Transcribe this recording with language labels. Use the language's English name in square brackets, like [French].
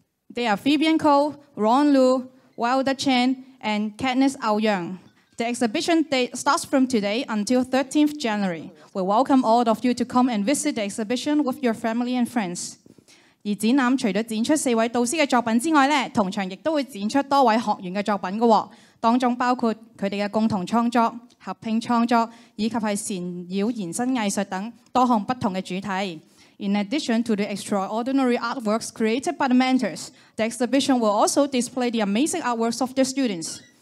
[English] They are Vivian Koh, Ron Lu, Wilder Chen, and Katniss Au Young. The exhibition starts from today until 13th January. We welcome all of you to come and visit the exhibition with your family and friends. [Cantonese] 而展覽除了展出四位導師的作品之外，同場亦都會展出多位學員的作品，當中包括他們的共同創作、合拼創作以及是纏繞延伸藝術等多項不同的主題。 [English] In addition to the extraordinary artworks created by the mentors, the exhibition will also display the amazing artworks of the students.